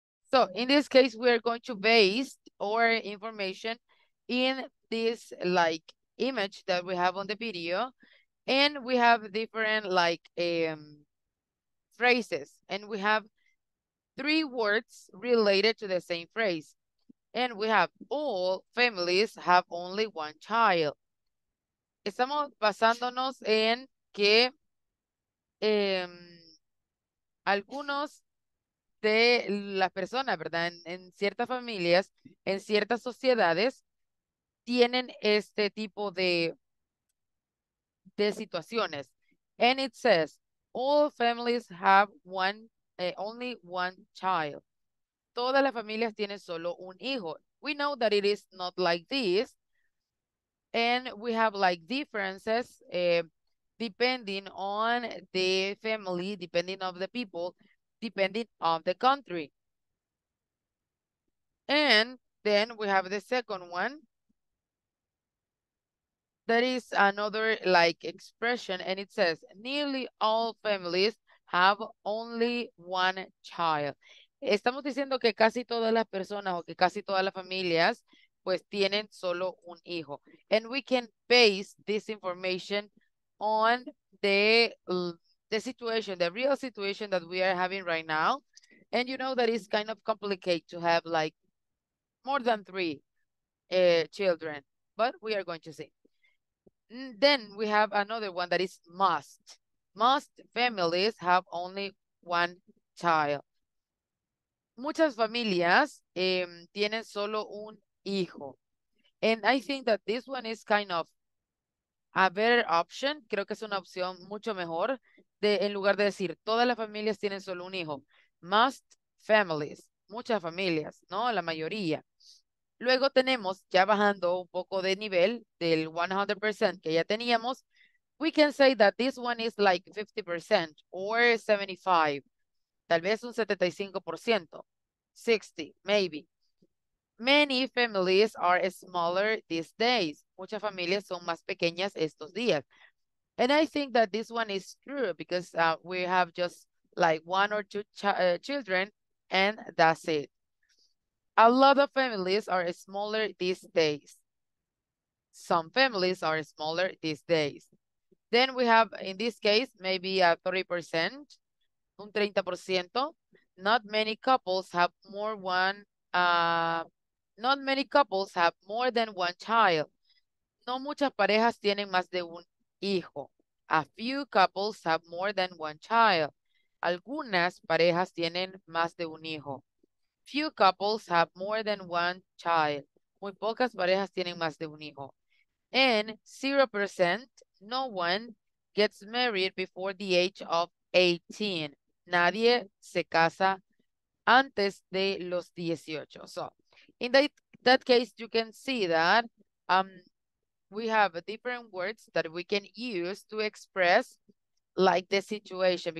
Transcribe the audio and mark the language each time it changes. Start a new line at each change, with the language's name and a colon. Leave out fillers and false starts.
English: So in this case, we are going to base our information in this like image that we have on the video, and we have different like phrases, and we have three words related to the same phrase, and we have all families have only one child.
Spanish: Estamos basándonos en que algunos de las personas, ¿verdad? En ciertas familias, en ciertas sociedades, tienen este tipo de situaciones.
English: And it says, all families have only one child.
Spanish: Todas las familias tienen solo un hijo.
English: We know that it is not like this. And we have like differences depending on the family, depending on the people, depending on the country. And then we have the second one. That is another like expression, and it says nearly all families have only one child.
Spanish: Estamos diciendo que casi todas las personas o que casi todas las familias pues tienen solo un hijo.
English: And we can base this information on the situation, the real situation that we are having right now. And you know that it's kind of complicated to have like more than three children, but we are going to see. Then we have another one that is must. Most families have only one child.
Spanish: Muchas familias tienen solo un hijo.
English: And I think that this one is kind of a better option.
Spanish: Creo que es una opción mucho mejor de, en lugar de decir todas las familias tienen solo un hijo.
English: Most families,
Spanish: muchas familias, ¿no? La mayoría. Luego tenemos, ya bajando un poco de nivel del 100% que ya teníamos,
English: we can say that this one is like 50% or 75%,
Spanish: tal vez un 75%, 60%,
English: maybe. Many families are smaller these days.
Spanish: Muchas familias son más pequeñas estos días.
English: And I think that this one is true because we have just like one or two children and that's it. A lot of families are smaller these days. Some families are smaller these days. Then we have, in this case, maybe a 30%,
Spanish: un 30%.
English: Not many couples have more one, not many couples have more than one child.
Spanish: No muchas parejas tienen más de un hijo.
English: A few couples have more than one child.
Spanish: Algunas parejas tienen más de un hijo.
English: Few couples have more than one child.
Spanish: Muy pocas parejas tienen más de un hijo.
English: And 0%, no one gets married before the age of 18.
Spanish: Nadie se casa antes de los 18.
English: So, in that case, you can see that we have different words that we can use to express like the situation.